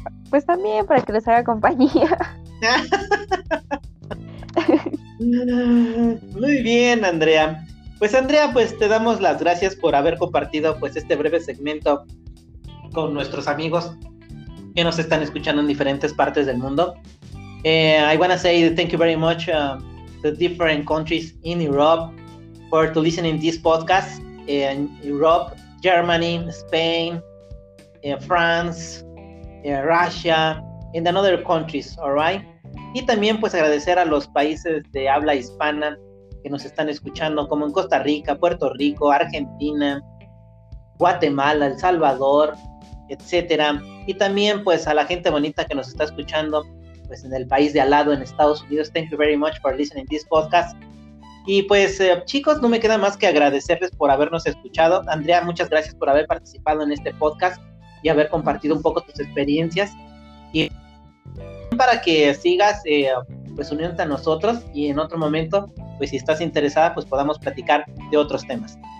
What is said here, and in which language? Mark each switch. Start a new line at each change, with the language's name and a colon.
Spanish: Pues también, para que les haga compañía. Muy bien, Andrea. Pues Andrea, pues te damos las gracias por haber compartido pues este breve segmento con nuestros amigos que nos están escuchando en diferentes partes del mundo.
English: I want to say thank you very much to the different countries in Europe for to listening this podcast in Europe, Germany, Spain, France, Russia, in other countries, all right?
Spanish: Y también pues agradecer a los países de habla hispana que nos están escuchando, como en Costa Rica, Puerto Rico, Argentina, Guatemala, El Salvador, etcétera. Y también pues a la gente bonita que nos está escuchando pues en el país de al lado, en Estados Unidos.
English: Thank you very much for listening this podcast.
Spanish: Y pues chicos, no me queda más que agradecerles por habernos escuchado. Andrea, muchas gracias por haber participado en este podcast y haber compartido un poco tus experiencias. Y para que sigas pues uniéndote a nosotros, y en otro momento pues si estás interesada pues podamos platicar de otros temas.